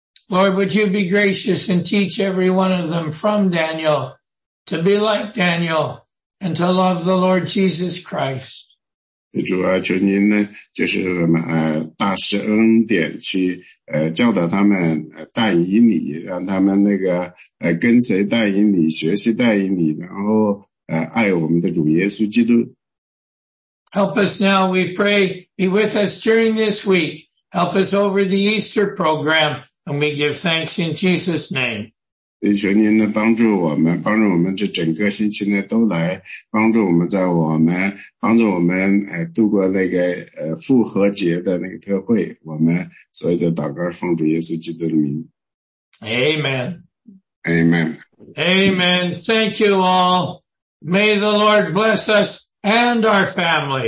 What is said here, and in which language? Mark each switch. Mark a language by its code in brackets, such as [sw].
[en] Lord, would you be gracious and teach every one of them from Daniel to be like Daniel? And to love the Lord Jesus Christ. [zh] 主啊，求您呢，就是什么大施恩典去教导他们但以理，让他们那个跟随但以理，学习但以理，然后爱我们的主耶稣基督。 [en] Help us now, we pray, be with us during this week. Help us over the Easter program, and we give thanks in Jesus' name. [zh] 求您呢帮助我们，帮助我们这整个星期呢都来帮助我们，在我们帮助我们度过那个复活节的那个特会。我们所有的祷告奉主耶稣基督的名。 [en] Amen. Amen. Amen. Thank you all. May the Lord bless us and our family.